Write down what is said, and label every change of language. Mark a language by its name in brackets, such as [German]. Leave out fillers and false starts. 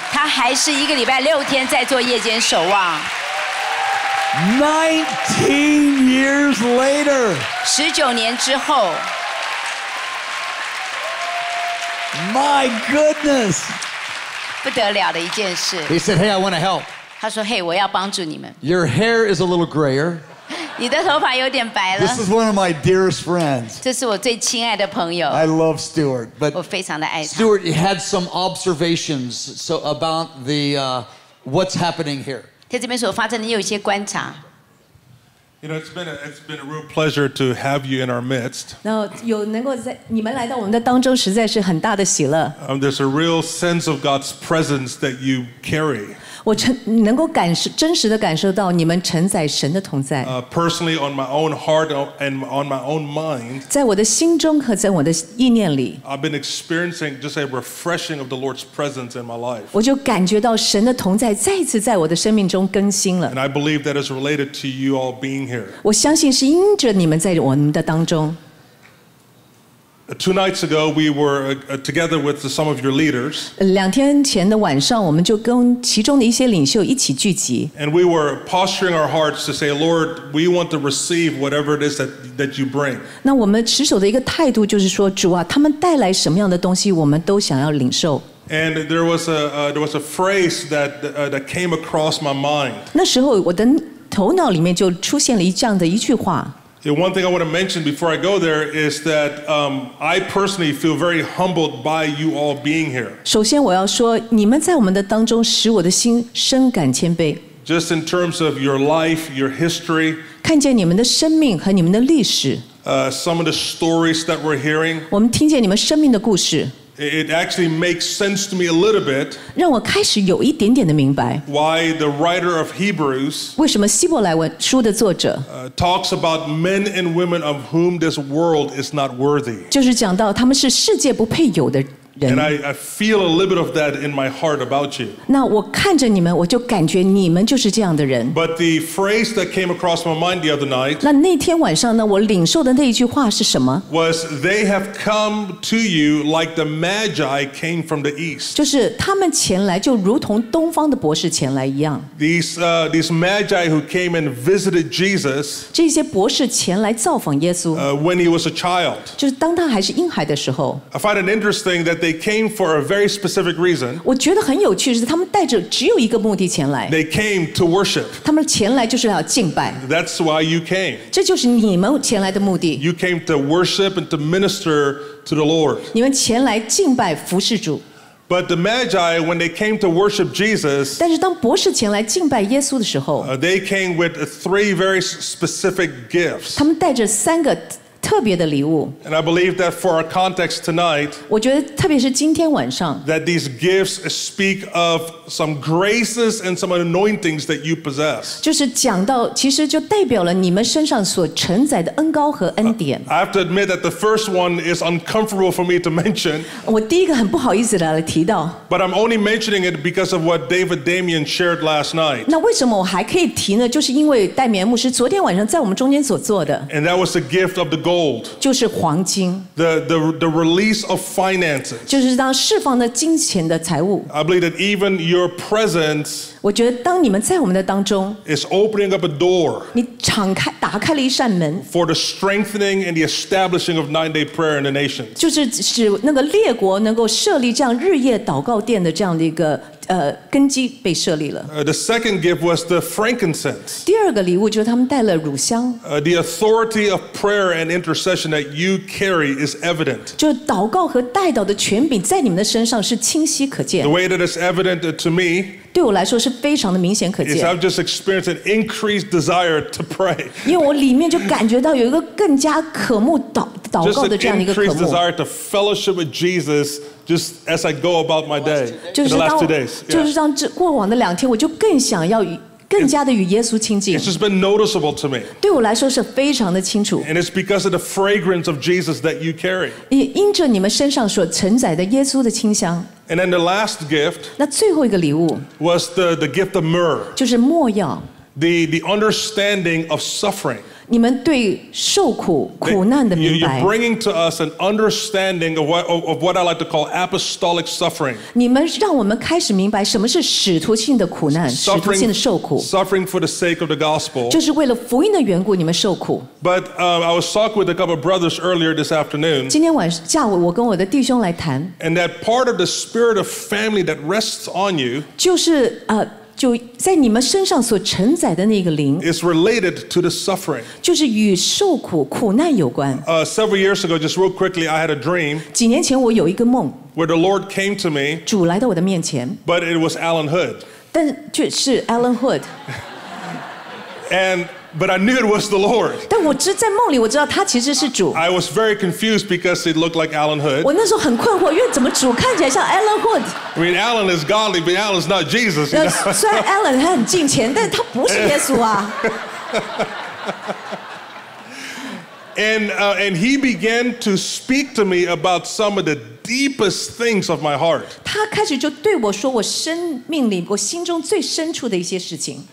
[Chinese] 他还是一个礼拜六天在做夜间守望。 [English] 19 years later. [Chinese] 19年之后。 [English] My goodness. [Chinese] 不得了的一件事。 [English] He said, "Hey, I want to help." [Chinese] 他说，嘿，我要帮助你们。 [English] Your hair is a little grayer. [Chinese] 你的头发有点白了。 [English] This is one of my dearest friends. [Chinese] 这是我最亲爱的朋友。 [English] I love Stuart, but [Chinese] 我非常的爱他。 [English] Stuart had some observations so about the what's happening here. [Chinese] 在这边所发生的，你有一些观察。 [English] You know, it's been a real pleasure to have you in our midst. [Chinese] 那有能够在你们来到我们的当中，实在是很大的喜乐。 [English] There's a real sense of God's presence that you carry. [Chinese] 我能够真实的感受到你们承载神的同在。 [English] Personally, on my own heart and on my own mind. [Chinese] 在我的心中和在我的意念里。 [English] I've been experiencing just a refreshing of the Lord's presence in my life. [Chinese] 我就感觉到神的同在再次在我的生命中更新了。 [English] And I believe that is related to you all being. [Chinese] 我相信是因着你们在我们的当中。 [English] Two nights ago, we were together with some of your leaders. [Chinese] 两天前的晚上，我们就跟其中的一些领袖一起聚集。 [English] And we were posturing our hearts to say, Lord, we want to receive whatever it is that you bring. [Chinese] 那我们持守的一个态度就是说，主啊，他们带来什么样的东西，我们都想要领受。 [English] And there was a phrase that came across my mind. [Chinese] 那时候我的头脑里面就出现了这样的一句话。 [English] One thing I want to mention before I go there is that I personally feel very humbled by you all being here. [Chinese] 首先我要说，你们在我们的当中使我的心深感谦卑。 [English] Just in terms of your life, your history. [Chinese] 看见你们的生命和你们的历史。 [English] Some of the stories that we're hearing. [Chinese] 我们听见你们生命的故事。 [English] It actually makes sense to me a little bit. [Chinese] 让我开始有一点点的明白。 [English] Why the writer of Hebrews? [Chinese] 为什么希伯来书的作者 [English] talks about men and women of whom this world is not worthy? [Chinese] 就是讲到他们是世界不配有的人。 [English] And I feel a little bit of that in my heart about you. [Chinese] 那我看着你们，我就感觉你们就是这样的人。 [English] But the phrase that came across my mind the other night. [Chinese] 那天晚上呢，我领受的那一句话是什么 [English] ？Was they have come to you like the Magi came from the east. [Chinese] 就是他们前来就如同东方的博士前来一样。 [English] These Magi who came and visited Jesus. [Chinese] 这些博士前来造访耶稣。 [English] When he was a child. [Chinese] 就是当他还是婴孩的时候。 [English] I find it interesting that. They came for a very specific reason. [Chinese] 我觉得很有趣是他们带着只有一个目的前来。 [English] They came to worship. [Chinese] 他们前来就是要敬拜。 [English] That's why you came. [Chinese] 这就是你们前来的目的。 [English] You came to worship and to minister to the Lord. [Chinese] 你们前来敬拜服侍主。 [English] But the Magi, when they came to worship Jesus, [Chinese] 但是当博士前来敬拜耶稣的时候 [English] they came with three very specific gifts. [Chinese] 他们带着三个特别的礼物。 [English] And I believe that for our context tonight, [Chinese] 我觉得特别是今天晚上 [English] that these gifts speak of some graces and some anointings that you possess. [Chinese] 就是讲到，其实就代表了你们身上所承载的恩膏和恩典。 [English] I have to admit that the first one is uncomfortable for me to mention. [Chinese] 我第一个很不好意思的提到。 [English] But I'm only mentioning it because of what David Damian shared last night. [Chinese] 那为什么我还可以提呢？就是因为戴米安牧师昨天晚上在我们中间所做的。 [English] And that was the gift of the gold. [Chinese] 就是黄金。 [English] The release of finances. [Chinese] 就是当释放的金钱的财物。 [English] I believe that even your presence. [Chinese] 我觉得当你们在我们的当中。 [English] Is opening up a door. [Chinese] 你敞开打开了一扇门。 [English] For the strengthening and the establishing of nine-day prayer in the nations. [Chinese] 就是使那个列国能够设立这样日夜祷告殿的这样的一个根基被设立了。 [English] The second gift was the frankincense. [Chinese] 第二个礼物就是他们带了乳香。 [English] The authority of prayer and intercession that you carry is evident. [Chinese] 就祷告和代祷的权柄在你们的身上是清晰可见。 [English] The way that is evident to me. [Chinese] 对我来说是非常的明显可见。 [English] Is I've just experienced an increased desire to pray. [Chinese] 因为我里面就感觉到有一个更加渴慕祷告的这样一个渴慕。 [English] Just an increased desire to fellowship with Jesus. Just as I go about my day, in the last 2 days, [Chinese] 就是让这过往的两天，我就更想要与更加的与耶稣亲近。 [English] It's just been noticeable to me. [Chinese] 对我来说是非常的清楚。 [English] And it's because of the fragrance of Jesus that you carry. [Chinese] 也因着你们身上所承载的耶稣的清香。 [English] And then the last gift, [Chinese] 那最后一个礼物 [English] was the gift of myrrh. [Chinese] 就是墨药。 [English] The understanding of suffering. [Chinese] 你们对受苦苦难的明白。 [English] You're bringing to us an understanding of what I like to call apostolic suffering. [Chinese] 你们让我们开始明白什么是使徒性的苦难，使徒性的受苦。 [English] Suffering for the sake of the gospel. [Chinese] 就是为了福音的缘故，你们受苦。 [English] But I was talking with a couple of brothers earlier this afternoon. [Chinese] 今天晚上下午，我跟我的弟兄来谈。 [English] And that part of the spirit of family that rests on you. [Chinese] 就是就在你们身上所承载的那个灵 [English] is related to the suffering. [Chinese] 就是与受苦苦难有关。 [English] Several years ago, just real quickly, I had a dream. [Chinese] 几年前我有一个梦。 [English] Where the Lord came to me. [Chinese] 主来到我的面前。 [English] But it was Alan Hood. [Chinese] 但就是 Alan Hood. [English] And but I knew it was the Lord. [Chinese] 但我只在梦里我知道他其实是主。 [English] I was very confused because it looked like Alan Hood. [Chinese] 我那时候很困惑，因为怎么主看起来像 Alan Hood？ [English] I mean, Alan is godly, but Alan's not Jesus. You know? [Chinese] 虽然 Alan 他很敬虔，但他不是耶稣啊。 [English] And he began to speak to me about some of the deepest things of my heart. [Chinese] 他开始就对我说我生命里我心中最深处的一些事情。